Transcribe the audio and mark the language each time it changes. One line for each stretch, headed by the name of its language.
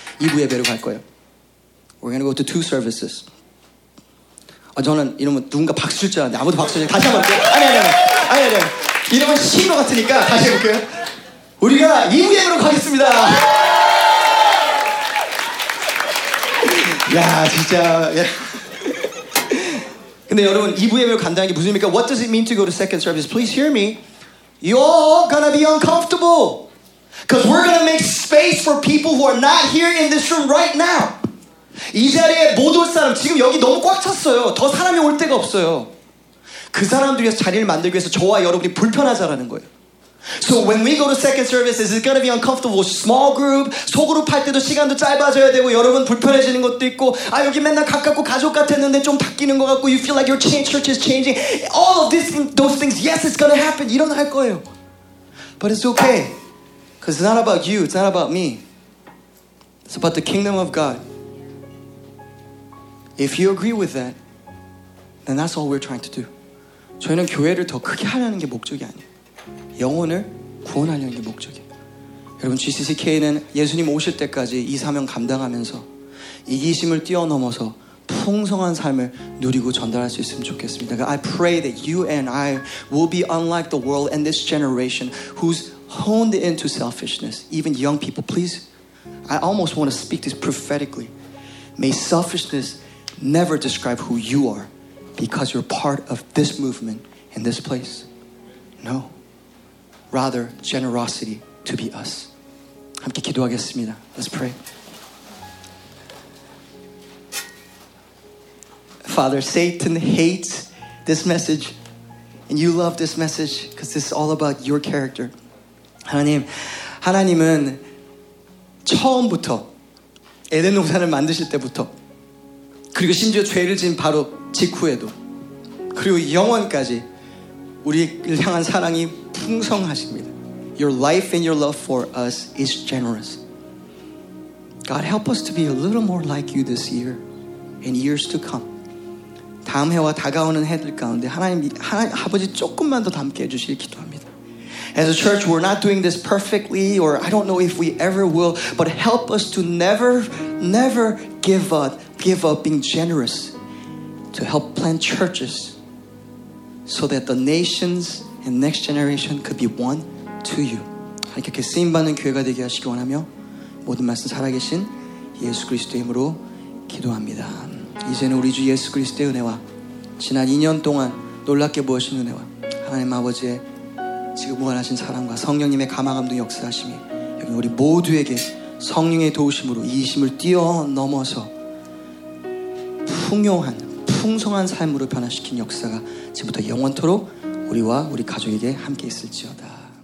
Korean: 2부 예배로 갈 거예요.
English: We're going to go to 2 services.
Korean: 저는 이러면 누군가 박수 줄 줄 알았는데 아무도 박수 줄 줄 알았는데 다시 한번 볼게요. 아니. 이러면 쉬운 것 같으니까 다시 해볼게요. 우리가 2부 예배로 가겠습니다. 야 진짜 근데 여러분 2부 예배로 간다는 게 무슨 의미입니까?
English: What does it mean to go to second service? Please hear me. You're all gonna be uncomfortable. Because we're going to make space for people who are not here in this room right now.
Korean: 이 자리에 못 올 사람 지금 여기 너무 꽉 찼어요. 더 사람이 올 데가 없어요. 그 사람들 위해서 자리를 만들기 위해서 저와 여러분이 불편하자라는 거예요.
English: So when we go to second service, is it going to be uncomfortable? Small group,
Korean: 소그룹 할 때도 시간도 짧아져야 되고 여러분 불편해지는 것도 있고 아 여기 맨날 가깝고 가족 같았는데 좀 바뀌는 것 같고
English: you feel like your church is changing. All of this, those things, yes, it's going to happen.
Korean: 일어날 거예요.
English: But it's okay. Because it's not about you. It's not about me. It's about the kingdom of God. If you agree with that, then that's all we're trying to do.
Korean: 저희는 교회를 더 크게 하려는 게 목적이 아니에요. 영혼을 구원하려는 게 목적이에요. 여러분 GCCK는 예수님 오실 때까지 이 사명 감당하면서 이기심을 뛰어넘어서 풍성한 삶을 누리고 전달할 수 있으면 좋겠습니다.
English: I pray that you and I will be unlike the world and this generation who's honed into selfishness. Even young people, please, I almost want to speak this prophetically. May selfishness never describe who you are because you're part of this movement in this place. No. Rather, generosity to be us.
Korean: 함께 기도하겠습니다.
English: Let's pray. Father, Satan hates this message. And you love this message because this is all about your character.
Korean: 하나님, 하나님은 처음부터 에덴 동산을 만드실 때부터 그리고 심지어 죄를 지은 바로 직후에도 그리고 영원까지 우리를 향한 사랑이 풍성하십니다.
English: Your life and your love for us is generous. God, help us to be a little more like you this year and years to come.
Korean: 다음 해와 다가오는 해들 가운데 하나님 아버지 조금만 더 닮게 해주시길 기도합니다.
English: As a church, we're not doing this perfectly, or I don't know if we ever will, but help us to never, never give up being generous to help plant churches so that the nations and next generation could be one to you.
Korean: 이렇게 쓰임받는 교회가 되게 하시기 원하며 모든 말씀 살아계신 예수 그리스도의 이름으로 기도합니다. 이제는 우리 주 예수 그리스도의 은혜와 지난 2년 동안 놀랍게 보여주신 은혜와 하나님 아버지의 지금 무한하신 사랑과 성령님의 감화감동 역사하심이 여러분 우리 모두에게 성령의 도우심으로 이기심을 뛰어넘어서 풍요한 풍성한 삶으로 변화시킨 역사가 지금부터 영원토록 우리와 우리 가족에게 함께 있을지어다.